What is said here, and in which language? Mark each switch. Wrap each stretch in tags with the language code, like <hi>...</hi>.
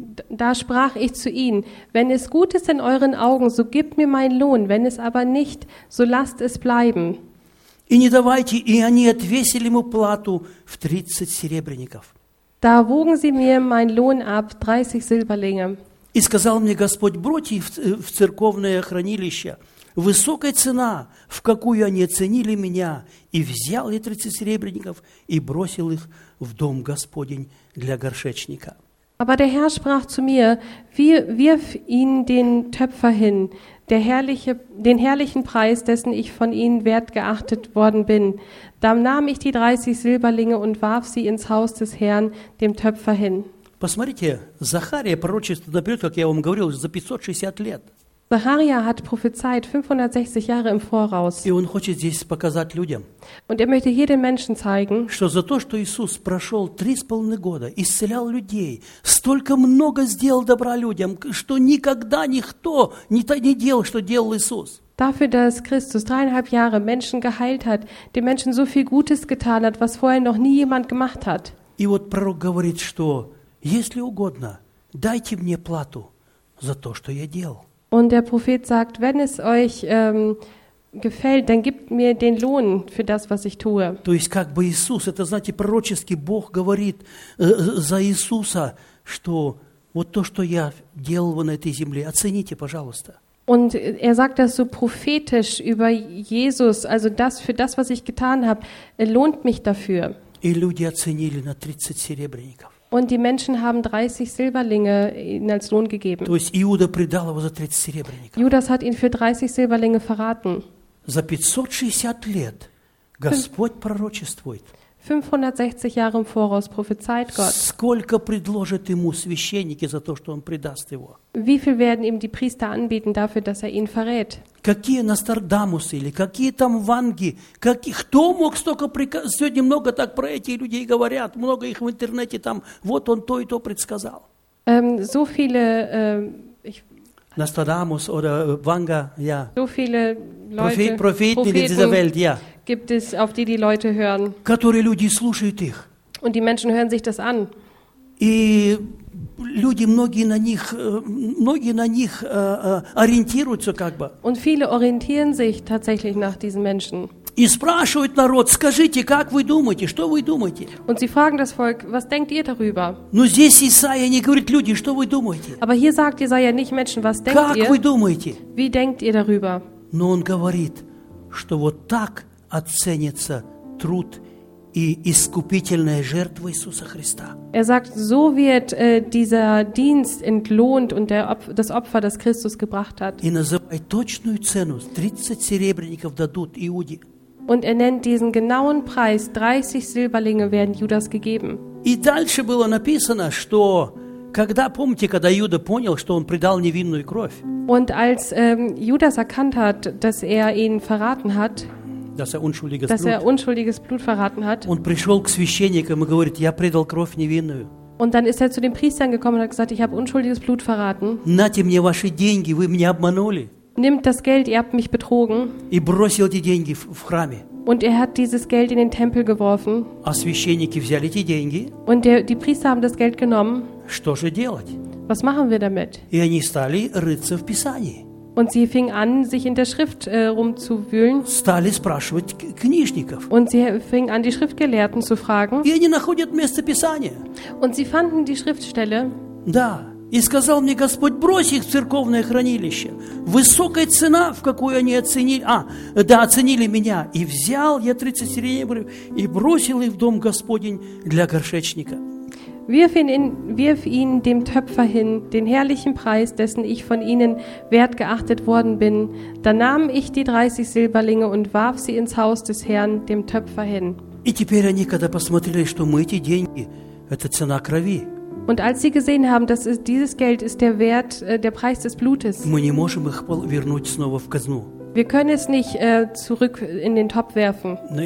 <de>Da sprach ich zu ihnen, wenn es gut ist in euren Augen, so gebt mir meinen Lohn, wenn es aber nicht, so lasst es bleiben.</de> <ru>И не давайте, и они отвесили ему плату в 30 серебряников.</ru> <de>Da wogen sie mir meinen Lohn ab, 30 Silberlinge.</de> <ru>И сказал мне Господь, брось в церковное хранилище. Высокая цена, в какую они оценили меня. И взял я 30 серебряников и бросил их в дом Господень для горшечника.</ru> <de>Aber der Herr sprach zu mir, wirf ihn den Töpfer hin, den herrlichen Preis, dessen ich von ihnen wert geachtet worden bin. Da nahm ich die 30 Silberlinge und warf sie ins Haus des Herrn, dem Töpfer hin.</de> <ru>Посмотрите, Захария пророчество наперед, как я вам говорил, за 560 лет.</ru> <de>Zacharia hat prophezeit 560 Jahre im Voraus.</de> <ru>И он хочет здесь показать людям.</ru> <de>Und er möchte hier den Menschen zeigen,</de> <ru>что за то, что Иисус прошел 3,5 года, исцелял людей, столько много сделал добра людям, что никогда никто не делал, что делал Иисус.</ru> <de>Dafür, dass Christus 3,5 Jahre Menschen geheilt hat, den Menschen so viel Gutes getan hat, was vorher noch nie jemand gemacht hat.</de> <ru>И вот пророк говорит, что если угодно, дайте мне плату за то, что я делал.</ru> <de>Und der Prophet sagt, wenn es euch gefällt, dann gebt mir den Lohn für das, was ich tue.</de> <ru>То есть как бы Иисус, это знаете, пророчески Бог говорит за Иисуса, что вот то, что я делал на этой земле, оцените, пожалуйста.</ru> <de>Und er sagt das so prophetisch über Jesus, also das für das, was ich getan habe, lohnt mich dafür.</de> <ru>И люди оценили на 30 серебряников.</ru> <de>Und die Menschen haben 30 Silberlinge ihnen als Lohn gegeben.</de> <ru>То есть Иуда предал его за 30 серебряников.</ru> <de>Judas hat ihn für 30 Silberlinge verraten.</de> <ru>За 560 лет Господь пророчествует.</ru> <de>560 Jahre im Voraus prophezeit Gott.</de> <ru>Сколько предложат ему священники за то, что он предаст его?</ru> <de>Wie viel werden ihm die Priester anbieten dafür, dass er ihn verrät?</de> <ru>Какие Нострадамусы или какие там Ванги? Кто мог столько приказать? Сегодня много так про эти людей говорят, много их в интернете там. Вот он то и то предсказал.</ru> <de>So viele Нострадамус oder Ванга, ja. So viele Leute, Propheten in dieser Welt, ja. Gibt es, auf die Leute hören.</de> <ru>Которые люди слушают их.</ru> <de>Und die Menschen hören sich das an.</de> <ru>И люди многие на них ориентируются как бы.</ru> <de>Und viele orientieren sich tatsächlich nach diesen Menschen.</de> <ru>И спрашивают народ, скажите, как вы думаете, что вы думаете?</ru> <de>Und sie fragen das Volk, was denkt ihr darüber?</de> <ru>Но здесь Исаия не говорит, люди, что вы думаете?</ru> <de>Aber hier sagt Jesaja nicht Menschen, was denkt</de> <ru>как</ru> <de>ihr?</de> <ru>Как вы думаете?</ru> <de>Wie denkt ihr darüber?</de> <ru>Но он говорит, что вот так оценится труд и искупительная жертва Иисуса Христа.</ru> <de>Er sagt, so wird dieser Dienst entlohnt und das Opfer, das Christus gebracht hat.</de> <ru>И называй точную цену, 30 серебряников дадут Иуде.</ru> <de>Und nennt diesen genauen Preis, 30 Silberlinge werden Judas gegeben.</de> <ru>И дальше было написано, что когда, помните, когда Иуда понял, что он предал невинную кровь?</ru> <de>Und als Judas erkannt hat, dass er ihn verraten hat, dass er unschuldiges Blut verraten hat.</de> <ru>Он пришёл к священникам и говорит: "Я предал кровь невинную."</ru> <de>Und dann ist er zu den Priestern gekommen und hat gesagt: "Ich habe unschuldiges Blut verraten."</de> <ru>Nate mne vashi dengi, vy mne obmanuli.</ru> <de>Nimmt das Geld, ihr habt mich betrogen.</de> <ru>И бросил эти деньги в храме.</ru> <de>Und er hat dieses Geld in den Tempel geworfen.</de> <ru>А священники взяли эти деньги.</ru> <de>Und die Priester haben das Geld genommen.</de> <ru>Что же делать?</ru> <de>Was machen wir damit?</de> <ru>И они стали рыться в Писании.</ru> <de>Und sie fing an, sich in der Schrift rumzuwühlen.</de> <ru>Стали спрашивать книжников.</ru> <de>Und sie fing an, die Schriftgelehrten zu fragen.</de> <ru>И они находят место Писания.</ru> <de>Und sie fanden die Schriftstelle.</de> <ru>Да. И сказал мне Господь: брось их в церковное хранилище. Высокая цена, в какую они оценили, оценили меня. И взял я 30 серебряников и бросил их в дом Господень для горшечника.</ru> <de>Wirf ihn dem Töpfer hin, den herrlichen Preis, dessen ich von ihnen wertgeachtet worden bin. Da nahm ich die 30 Silberlinge und warf sie ins Haus des Herrn, dem Töpfer, hin.</de> <ru>И теперь они, когда посмотрели, что мы эти деньги, это цена крови.</ru> <de>Und als sie gesehen haben, dass dieses Geld ist der Wert, der Preis des Blutes.</de> <ru>Мы не можем их вернуть снова в казну.</ru> <de>Wir können es nicht zurück in den Topf werfen.</de>